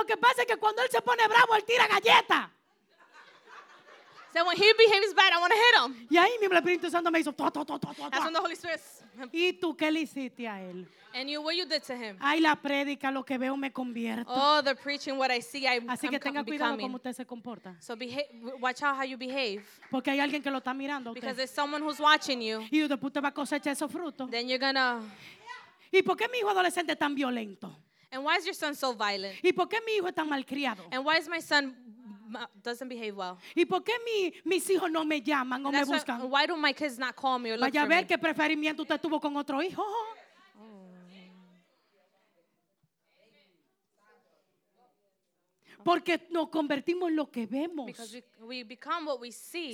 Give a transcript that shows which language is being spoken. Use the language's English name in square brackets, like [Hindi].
[Spanish] Lo que pasa es que cuando él se pone bravo, él tira galleta. [English] So when he behaves bad, I want to hit him. [Spanish] Y ahí mismo el Espíritu Santo me hizo, tua, tua, tua, tua, tua. [English] That's when the Holy Spirit. [Spanish] ¿Y tú qué le hiciste a él? [English] And you, what you did to him. [Spanish] Ay, la predica, lo que veo me convierto. [English] Oh, the preaching, what I see, I'm becoming. [Spanish] Así que tenga cuidado cómo usted se comporta. [English] So watch out how you behave. [Spanish] Porque hay alguien que lo está mirando. [English] Because there's someone who's watching you. [Spanish] Y después te va a cosechar esos frutos. [English] Then you're gonna. [Spanish] ¿Y por qué mi hijo adolescente es tan violento? [English] And why is your son so violent? [Spanish] ¿Y por qué mi hijo es tan malcriado? [English] And why is my son doesn't behave well? [Spanish] ¿Y por qué mis hijos no me llaman o me buscan? [English] Why do my kids not call me or look for me? [Spanish] Vaya ver qué preferimiento usted tuvo con otro hijo. Porque nos convertimos en lo que vemos. [English] Because we become what we see.